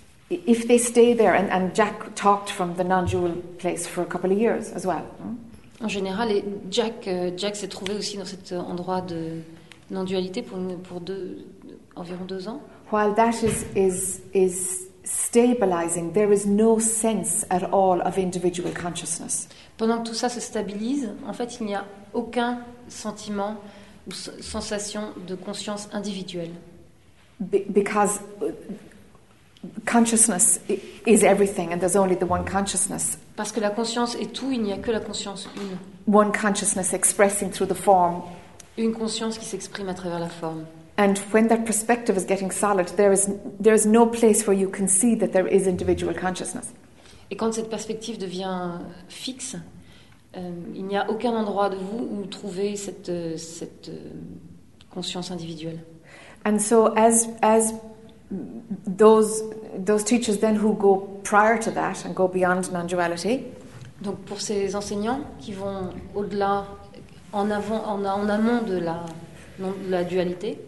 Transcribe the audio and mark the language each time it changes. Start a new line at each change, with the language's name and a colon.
English: if they stay there, and Jack talked from the non-dual place for a couple of years as well.
French: En général, Jack s'est trouvé aussi dans cet endroit de non-dualité pour environ 2 ans.
English: While that is stabilizing, there is no sense at all of individual consciousness.
French: Pendant que tout ça se stabilise, en fait, il n'y a aucun sentiment ou sensation de conscience individuelle.
English: Because consciousness is everything, and there's only the one consciousness.
French: Parce que la conscience est tout, il n'y a que la conscience une.
English: One consciousness expressing through the form.
French: Une conscience qui s'exprime à travers la forme.
English: And when that perspective is getting solid, there is no place where you can see that there is individual consciousness.
French: Et quand cette perspective devient fixe, il n'y a aucun endroit de vous où trouver cette conscience individuelle.
English: And so as those teachers then who go prior to that and go beyond non-duality.
French: Donc pour ces enseignants qui vont au-delà, en amont de la dualité.